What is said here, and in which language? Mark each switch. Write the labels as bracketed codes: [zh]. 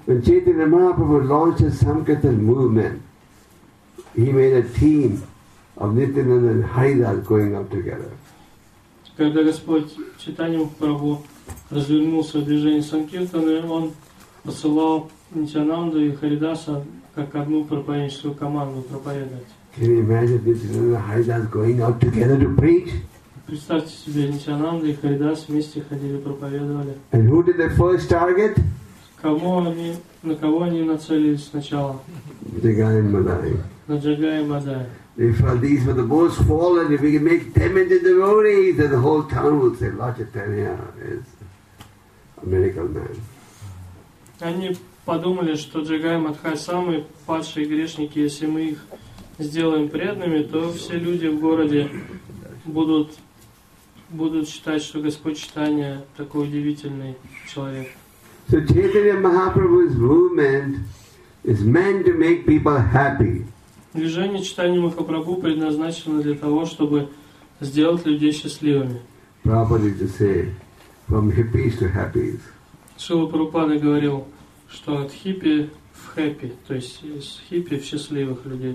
[en] When Chaitanya Mahaprabhu launched a Sankirtan movement, he made a team of Nityananda and Haridas going up together. [ru] Когда Господь Чайтанья Махапрабху развернул свое движение Санкиртаны, он посылал Нитянанду и Харидаса как одну проповедническую команду проповедовать. Представьте себе, Нитянанда и Харидас вместе ходили, проповедовали. [en] And who did the first target? [ru] Кому они, на кого они нацелились сначала? Джагай Мадай. На Джагай Мадай. [en] They felt these were the most fallen. If we can make them into devotees, then the whole town will say, Lord Chaitanya is a miracle man. [ru] Они подумали, что Джагай Мадхай самые падшие грешники. Если мы их сделаем преданными, то все люди в городе будут считать, что Господь Чайтанья такой удивительный человек. [en] So Chaitanya Mahaprabhu's movement is meant to make people happy. [ru] Движение Чайтанья Махапрабху предназначено для того, чтобы сделать людей счастливыми. Шрила Прабхупада говорил, что от хиппи в хэппи, то есть с хиппи в счастливых людей.